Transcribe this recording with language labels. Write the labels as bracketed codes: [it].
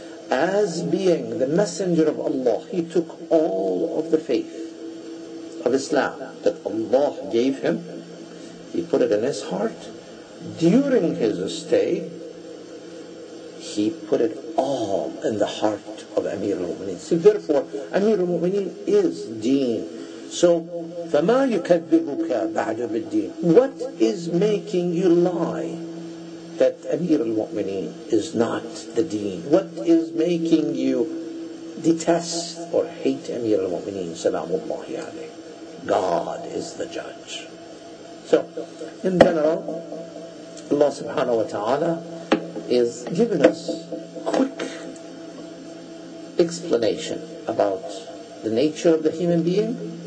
[en] As being the messenger of Allah, he took all of the faith of Islam that Allah gave him. He put it in his heart. During his stay, he put it all in the heart of Amir al-Mu'mineen. So therefore, Amir al-Mu'mineen is deen. [ar] So, فما يكذبك بعد بالدين. [en] What is making you lie that Amir al-Mu'mineen is not the deen? What is making you detest or hate Amir al-Mu'mineen salamullahi alayhi? God is the judge. So, in general, Allah subhanahu wa ta'ala is giving us quick explanation about the nature of the human being.